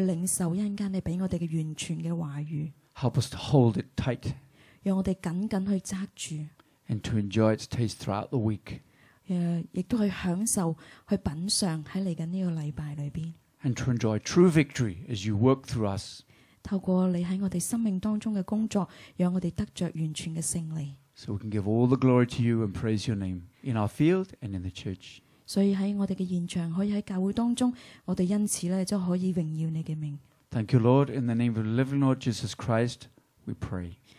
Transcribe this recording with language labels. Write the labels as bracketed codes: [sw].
[zh] 天父求你這一刻準備我們的心去領受一會兒你給我們的完全的話語。 [en] Help us to hold it tight. [zh] 讓我們緊緊去抓住。 [en] And to enjoy its taste throughout the week. [zh] 亦都去享受去品嚐在你這個禮拜裡面。 [en] And to enjoy true victory as you work through us. [zh] 透過你在我們生命當中的工作,讓我們得著完全的勝利。 [en] So we can give all the glory to you and praise your name in our field and in the church. [zh] 所以在我們的現場,可以在教會當中,我們因此可以榮耀你的名。 [en] Thank you, Lord. In the name of the living Lord Jesus Christ, we pray.